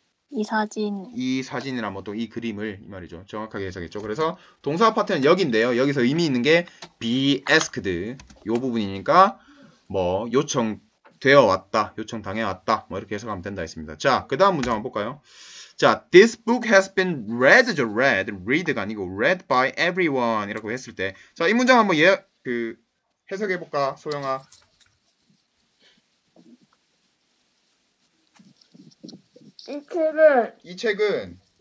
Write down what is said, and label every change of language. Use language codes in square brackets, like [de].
[ko] 이 사진 이 사진이란 뭐또이 그림을 이 말이죠. 정확하게 해석했죠. 그래서 동사 파트는 여기인데요. 여기서 의미 있는 게 be asked 요 부분이니까 뭐 요청되어 왔다, 요청당해 왔다 뭐 이렇게 해석하면 된다 했습니다. 자, 그 다음 문장 한번 볼까요? [en] 자, this book has been read죠. [ko] read, read가 아니고 [en] read by everyone [ko] 이라고 했을 때, 자, 이 문장 한번 예, 그 해석해 볼까, 소영아? 이 책은 이 책은